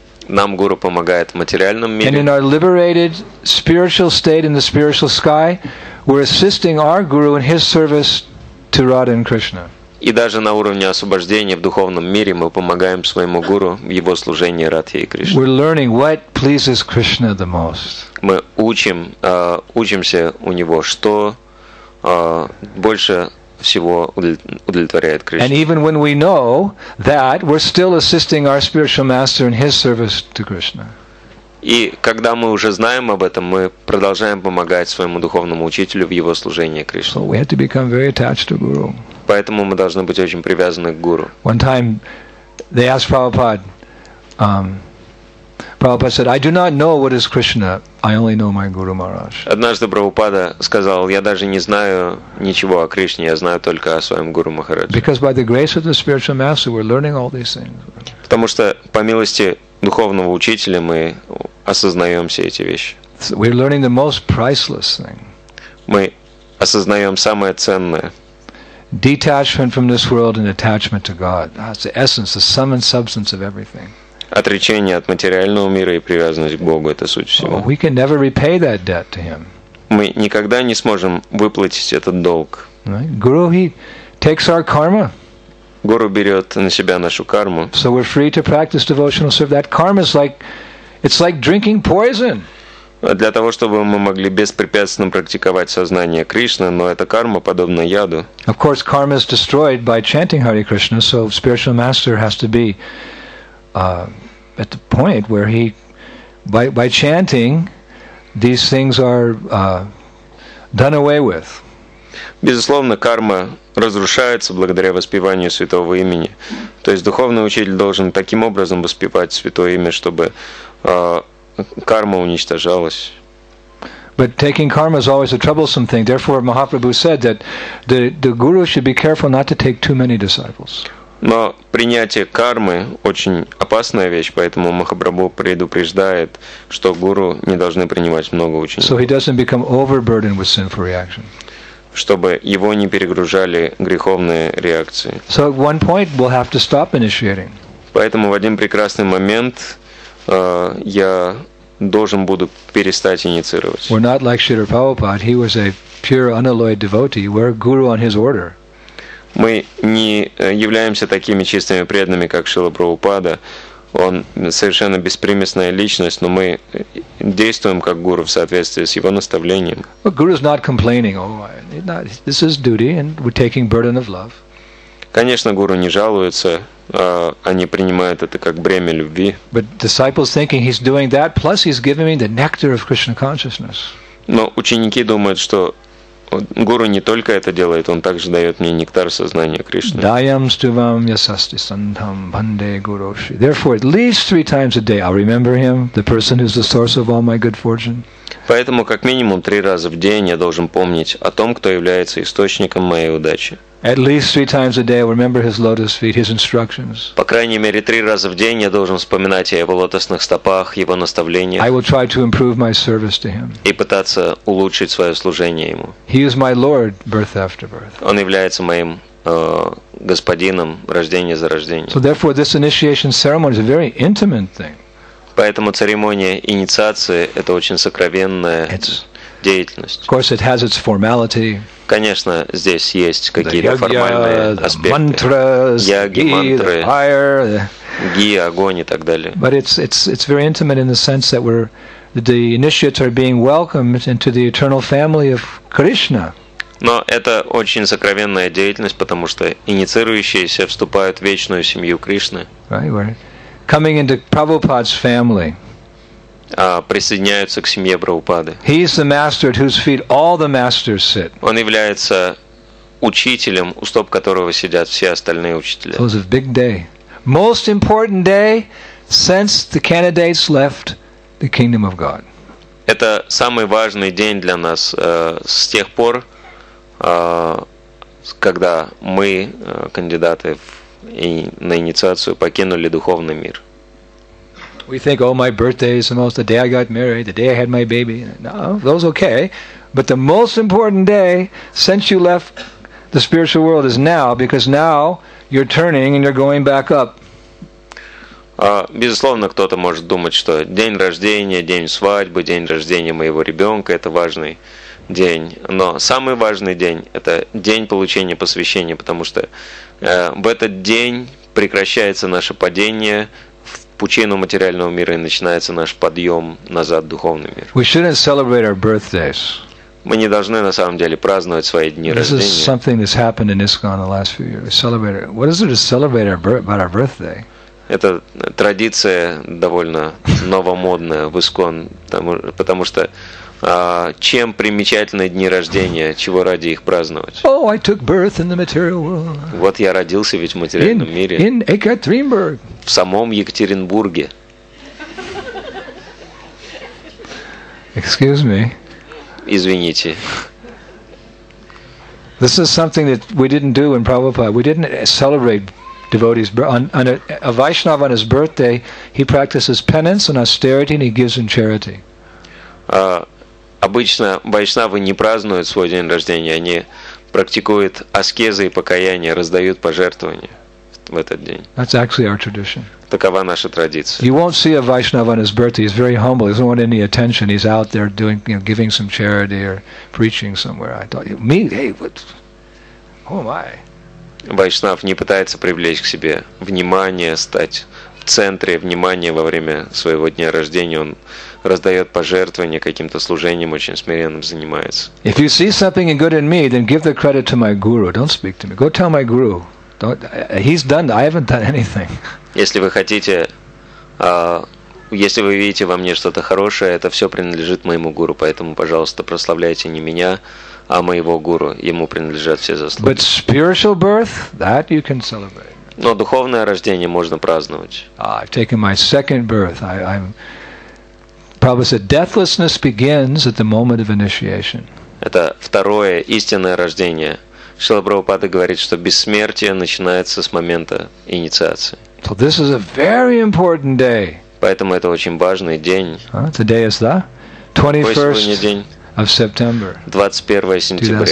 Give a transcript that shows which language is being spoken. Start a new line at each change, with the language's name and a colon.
Russian: Нам гуру помогает в материальном мире.
English: And in our liberated spiritual state in the spiritual sky, we're assisting our guru in his service to Radha and Krishna.
Russian: И даже на уровне освобождения в духовном мире мы помогаем своему гуру в его служении Радхе и Кришне.
English: We're learning what pleases Krishna the most.
Russian: Мы учимся у него, что больше всего удовлетворяет Кришне.
English: And even when we know that, we're still assisting our spiritual master in his service to Krishna.
Russian: И когда мы уже знаем об этом, мы продолжаем помогать своему духовному учителю в его служении Кришне.
English: So we have to become very attached to guru.
Russian: Поэтому мы должны быть очень привязаны к гуру.
English: One time they asked Prabhupada, Prabhupada said, I do not know what is Krishna, I only know my Guru Maharaj.
Russian: Однажды Прабхупада сказал, я даже не знаю ничего о Кришне, я знаю только о своем Гуру Махарадже.
English: Because by the grace of the spiritual master, we're learning all these things.
Russian: Потому что по милости духовного учителя мы осознаем все эти вещи.
English: So we're learning the most priceless thing.
Russian: Мы осознаем самое ценное.
English: Detachment from this world and attachment to God. That's the essence, the sum and substance of everything.
Russian: Отречение от материального мира и привязанность к Богу — это суть всего.
English: We can never repay that debt to Him.
Russian: Мы никогда не сможем выплатить этот долг.
English: Guru, He takes our karma.
Russian: Гуру берет на себя нашу карму.
English: So we're free to practice devotional service. That karma is like, it's like drinking poison.
Russian: для того, чтобы мы могли беспрепятственно практиковать сознание Кришны, но это карма подобна яду.
English: Of course, karma is destroyed by chanting Hare Krishna, so spiritual master has to be at the point where he by chanting these things are done away with.
Russian: Безусловно, карма разрушается благодаря воспеванию святого имени. То есть духовный учитель должен таким образом воспевать святое имя, чтобы карма уничтожалась.
English: But taking karma is always a troublesome thing. Therefore, Mahaprabhu said that the guru should be careful not to take too many disciples.
Russian: Но принятие кармы очень опасная вещь, поэтому Махапрабху предупреждает, что гуру не должны принимать много учеников.
English: So he doesn't become overburdened with sinful reactions.
Russian: Чтобы его не перегружали греховные реакции.
English: So at one point we'll have to stop initiating.
Russian: Поэтому в один прекрасный момент я должен буду перестать инициировать.
English: We're not like Śrīla Prabhupāda. He was a pure unalloyed devotee. We're a guru on his order.
Russian: Мы не являемся такими чистыми преданными, как Шрила Прабхупада. Он совершенно беспримесная личность, но мы действуем как гуру в соответствии с его наставлением.
English: But guru is not complaining. Oh, this is duty, and we're taking burden of love.
Russian: Конечно, гуру не жалуется, они принимают это как бремя любви.
English: But disciples thinking he's doing that, plus he's giving me the nectar of Krishna consciousness.
Russian: Но ученики думают, что гуру не только это делает, он также дает мне нектар сознания Кришны.
Sanskrit: Даям стувам ясасти сандхам банде гуруши.
English: Therefore, at least three times a day I'll remember him, the person who's the source of all my good fortune.
Russian: Поэтому как минимум три раза в день я должен помнить о том, кто является источником моей удачи.
English: At least three times a day I'll remember his lotus feet, his instructions.
Russian: По крайней мере три раза в день я должен вспоминать о его лотосных стопах, его наставлениях.
English: I will try to improve my service to him.
Russian: И пытаться улучшить свое служение ему.
English: He is my lord, birth after birth.
Russian: Он является моим господином, рождение за рождение.
English: So therefore, this initiation ceremony is a very intimate thing.
Russian: Поэтому церемония инициации – это очень сокровенная деятельность.
English: Of course, it has its formality.
Russian: Конечно, здесь есть какие-то формальные аспекты.
English: Mantras,
Russian: яги, мантры,
English: the fire,
Russian: ги, огонь и так далее.
English: But it's very intimate in the sense that we're the initiates are being welcomed into the eternal family of Krishna.
Russian: Но это очень сокровенная деятельность, потому что инициирующиеся вступают в вечную семью Кришны.
English: Right, right. Coming into Prabhupada's family.
Russian: Присоединяются к семье Прабхупады.
English: He is the master at whose feet all the masters sit.
Russian: Он является учителем, у стоп которого сидят все остальные учителя.
English: It was a big day. Most important day since the candidates left the kingdom of God.
Russian: Это самый важный день для нас с тех пор, когда мы, кандидаты и на инициацию покинули духовный мир.
English: We think, oh, my birthday is the most, the day I got married, the day I had my baby. No, those okay. But the most important day since you left the spiritual world is now, because now you're turning and you're going back up.
Russian: Безусловно, кто-то может думать, что день рождения, день свадьбы, день рождения моего ребенка – это важный день. Но самый важный день – это день получения посвящения, потому что в этот день прекращается наше падение в пучину материального мира и начинается наш подъем назад в духовный мир.
English: We shouldn't celebrate our birthdays.
Russian: Мы не должны на самом деле праздновать свои дни рождения.
English: This is something that's happened in ISKCON the last few years. Celebrate. What is it to celebrate about our birthday?
Russian: Это традиция довольно новомодная в ISKCON, потому что чем примечательны дни рождения, чего ради их праздновать?
English: Oh, I took birth in the material world.
Russian: Вот я родился ведь в материальном мире.
English: In Екатеринбург.
Russian: В самом Екатеринбурге.
English: Excuse me.
Russian: Извините.
English: This is something that we didn't do in Prabhupada. We didn't celebrate devotees. On a Vaishnava on his birthday, he practices penance and austerity and he gives in charity.
Russian: Обычно вайшнавы не празднуют свой день рождения, они практикуют аскезы и покаяние, раздают пожертвования в этот день.
English: That's actually our tradition.
Russian: Такова наша традиция.
English: You won't see a Vaishnava on his birthday. He's very humble. He doesn't want any attention. He's out there doing, you know, giving some charity or preaching somewhere. I thought, me, hey, what? Who am I?
Russian: Вайшнав не пытается привлечь к себе внимание, стать центре внимания во время своего дня рождения, он раздает пожертвования каким-то служением, очень смиренным занимается.
English: If you see something good in me, then give the credit to my guru. Don't speak to me. Go tell my guru. Don't, he's done. I haven't done anything.
Russian: Если вы хотите, если вы видите во мне что-то хорошее, это все принадлежит моему гуру, поэтому, пожалуйста, прославляйте не меня, а моего гуру. Ему принадлежат все заслуги.
English: But spiritual birth, that you can celebrate.
Russian: Но духовное рождение можно праздновать.
English: I've taken my second birth. I'm Prabhupada said, deathlessness begins at the moment of initiation.
Russian: Это второе истинное рождение. Шрила Прабхупада говорит, что бессмертие начинается с момента инициации.
English: So this is a very important day.
Russian: Поэтому это очень важный день.
English: Today is the 21st of September.
Russian: 21 сентября.